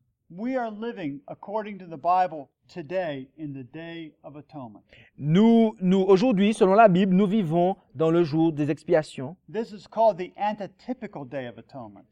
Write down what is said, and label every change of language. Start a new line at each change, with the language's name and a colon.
English: We are living according to the Bible today in the Day of Atonement.
French: Nous aujourd'hui, selon la Bible, nous vivons dans le jour des expiations.
English: This is called the antitypical Day of Atonement.